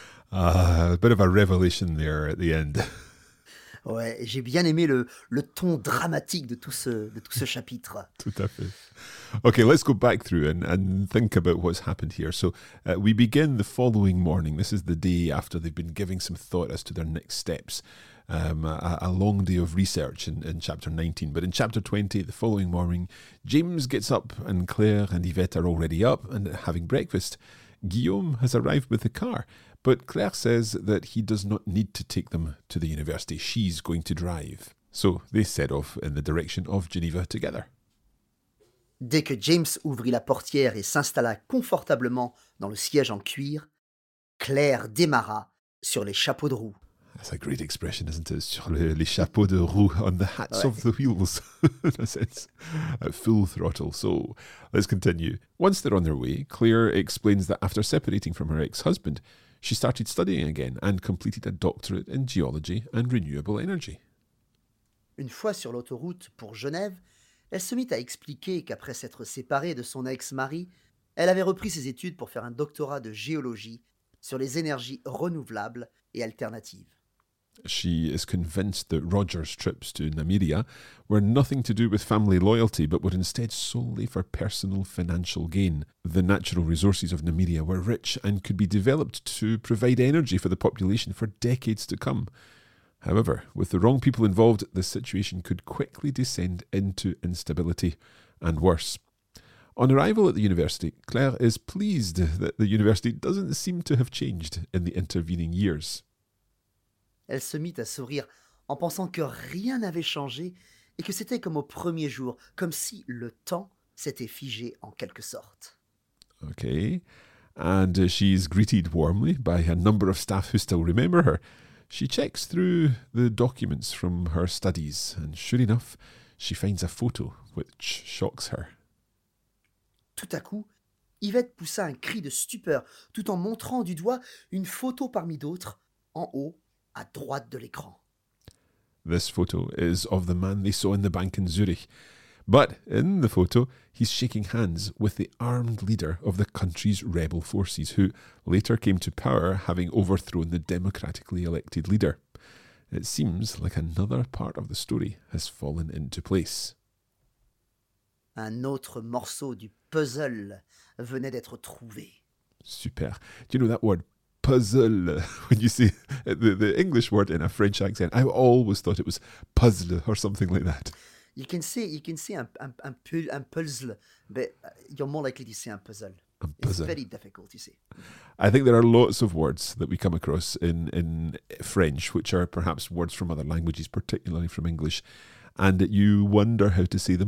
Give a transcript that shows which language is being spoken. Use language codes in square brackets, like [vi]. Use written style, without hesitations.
[en] A bit of a revelation there at the end. [fr] Ouais, j'ai bien aimé le ton dramatique de tout ce chapitre. Tout à fait. [en] Okay, let's go back through and think about what's happened here. So we begin the following morning. This is the day after they've been giving some thought as to their next steps. A long day of research in chapter 19. But in chapter 20, the following morning, James gets up and Claire and Yvette are already up and having breakfast. Guillaume has arrived with the car. But Claire says that he does not need to take them to the university. She's going to drive. So they set off in the direction of Geneva together. [fr] Dès que James ouvrit la portière et s'installa confortablement dans le siège en cuir, Claire démarra sur les chapeaux de roue. [en] That's a great expression, isn't it? [fr] Sur les chapeaux de roue, [en] on the hats of the wheels. In a sense, at full throttle. So, let's continue. Once they're on their way, Claire explains that after separating from her ex-husband, she started studying again and completed a doctorate in geology and renewable energy. [fr] Une fois sur l'autoroute pour Genève, elle se mit à expliquer qu'après s'être séparée de son ex-mari, elle avait repris ses études pour faire un doctorat de géologie sur les énergies renouvelables et alternatives. [en] She is convinced that Roger's trips to Namibia were nothing to do with family loyalty, but were instead solely for personal financial gain. The natural resources of Namibia were rich and could be developed to provide energy for the population for decades to come. However, with the wrong people involved, the situation could quickly descend into instability, and worse. On arrival at the university, Claire is pleased that the university doesn't seem to have changed in the intervening years. [fr] Elle se mit à sourire en pensant que rien n'avait changé et que c'était comme au premier jour, comme si le temps s'était figé en quelque sorte. [en] Okay, and she's greeted warmly by a number of staff who still remember her. She checks through the documents from her studies and sure enough, she finds a photo which shocks her. [fr] Tout à coup, Yvette poussa un cri de stupeur tout en montrant du doigt une photo parmi d'autres en haut. À droite de l'écran. [en] This photo is of the man they saw in the bank in Zurich. But in the photo, he's shaking hands with the armed leader of the country's rebel forces, who later came to power having overthrown the democratically elected leader. It seems like another part of the story has fallen into place. [fr] Un autre morceau du puzzle venait d'être trouvé. [en] Super. Do you know that word? Puzzle. When you say the English word in a French accent, I always thought it was puzzle or something like that. You can say un puzzle, but you're more likely to say un puzzle. It's very difficult, you see. I think there are lots of words that we come across in French, which are perhaps words from other languages, particularly from English, and you wonder how to say them.